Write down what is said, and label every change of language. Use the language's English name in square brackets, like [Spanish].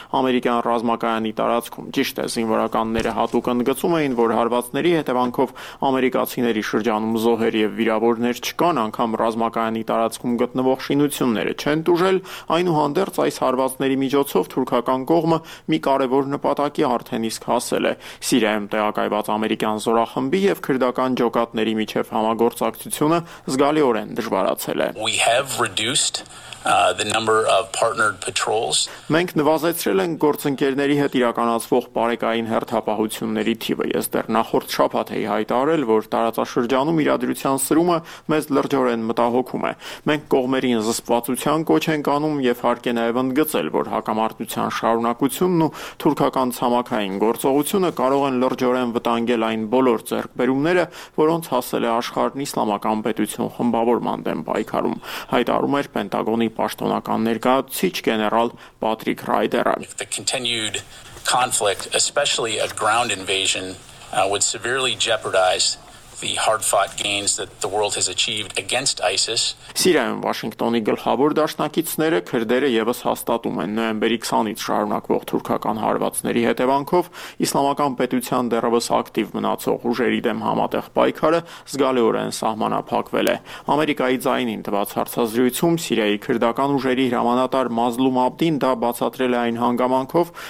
[Armenian] ամերիկյան ռազմակայանի տարածքում։ Ճիշտ է, զինվորականները հատուկ ընդգծում էին, որ հարվածների հետևանքով ամերիկացիների շրջանում զոհեր և վիրավորներ չկան, անգամ ռազմակայանի տարածքում գտնվող շինությունները չեն տուժել, այնուհանդերձ այս հարվածների միջոցով թուրքական կողմը մի կարևոր նպատակի արդեն իսկ հասել է. Սիրիայում տեղակայված ամերիկյան զորախմբի և քրդական ջոկատների միջև համագործակցությունը զգալիորեն դժվարացել է։ [English] The number of partnered patrols. [Armenian] Մենք նվազեցրել ենք գործընկերների հետ իրականացվող բարեկային հերթապահությունների թիվը։ Ես դեռ նախորդ շաբաթ էի հայտարել, որ տարածաշրջանում իրադրության սրումը մեզ լրջորեն մտահոգում է։ Մենք կողմերին զսպվածության կոչ ենք անում և հարկ է նաև ընդգծել, որ հակամարտության շարունակությունն ու թուրքական ցամաքային գործողությունը կարող են լրջորեն վտանգել այն բոլոր ձեռքբերումները, որոնց հասել է աշխարհն իսլամական պետություն խմբավորման դեմ պայքարում, հայտարում էր Պենտագոնը պաշտոնական ներկայացուցիչ գեներալ Պատրիկ Ռայդերը։ [English] If the continued conflict, especially a ground invasion, would severely jeopardize the hard-fought gains that the world has achieved against ISIS. [Armenian] Սիրիայում Վաշինգտոնի գլխավոր դաշնակիցները քրդերը եւս հաստատում են նոյեմբերի 20-ից շարունակվող թուրքական հարվածների հետևանքով իսլամական պետության դեռևս ակտիվ մնացող ուժերի դեմ համատեղ պայքարը զգալիորեն սահմանափակվել է։ Ամերիկայի ձայնին տված հարցազրույցում Սիրիայի քրդական ուժերի հրամանատար Մազլում Աբդին դա բացատրել է այն հանգամանքով,